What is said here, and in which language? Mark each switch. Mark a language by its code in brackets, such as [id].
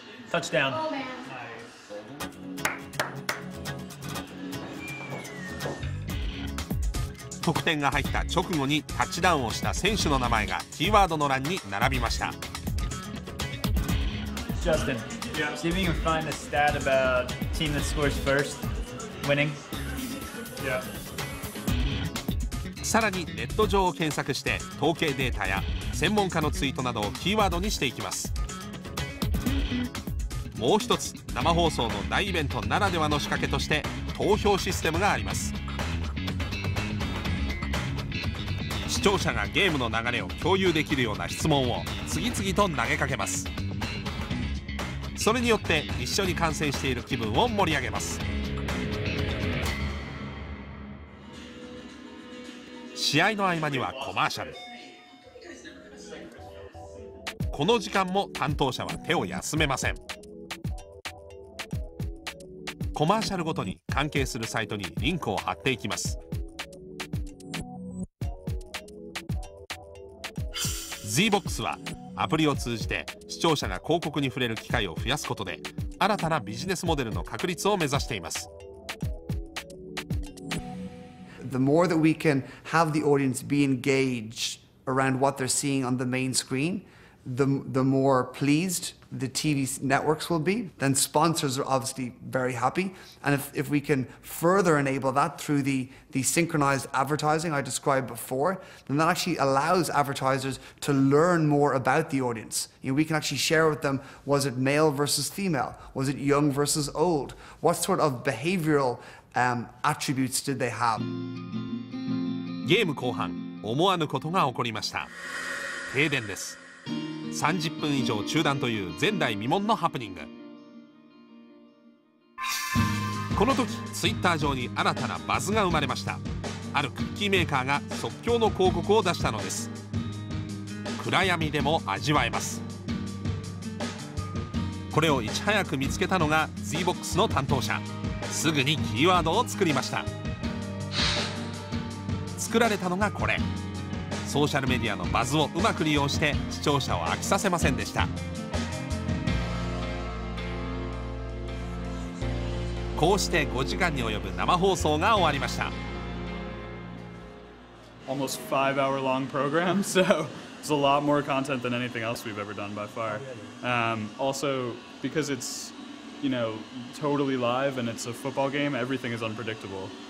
[ja] タッチダウン。得点が入った直後にタッチダウンをした選手の名前がキーワードの欄に並びました。 [en] Justin, yeah. See if you can find a stat about team that scores first, winning. Yeah. [ja] さらにネット上を検索して統計データや専門家のツイートなどをキーワードにしていきます。もう一つ、生放送の大イベントならではの仕掛けとして投票システムがあります。視聴者がゲームの流れを共有できるような質問を次々と投げかけます。それによって一緒に観戦している気分を盛り上げます。試合の合間にはコマーシャル。この時間も担当者は手を休めません。コマーシャルごとに関係するサイトにリンクを貼っていきます。 ZBOX はアプリを通じて視聴者が広告に触れる機会を増やすことで新たなビジネスモデルの確立を目指しています。 [en] The more that we can have the audience be engaged around what they're seeing on the main screen, the more pleased the TV networks will be. Then sponsors are obviously very happy. And if we can further enable that through the synchronized advertising I described before, then that actually allows advertisers to learn more about the audience. You know, we can actually share with them, was it male versus female? Was it young versus old? What sort of behavioral attributes did they have? [ja] ゲーム後半、思わぬことが起こりました。停電です。 30分以上中断という前代未聞のハプニング。この時ツイッター上に新たなバズが生まれました。あるクッキーメーカーが即興の広告を出したのです。暗闇でも味わえます。これをいち早く見つけたのが ZBOX の担当者。すぐにキーワードを作りました。作られたのがこれ。ソーシャルメディアのバズをうまく利用して視聴者を飽きさせませんでした。こうして5時間に及ぶ生放送が終わりました。 [en] Almost 5 hour long program, so it's a lot more content than anything else we've ever done by far. Also, because it's, you know, totally live and it's a football game, everything is unpredictable.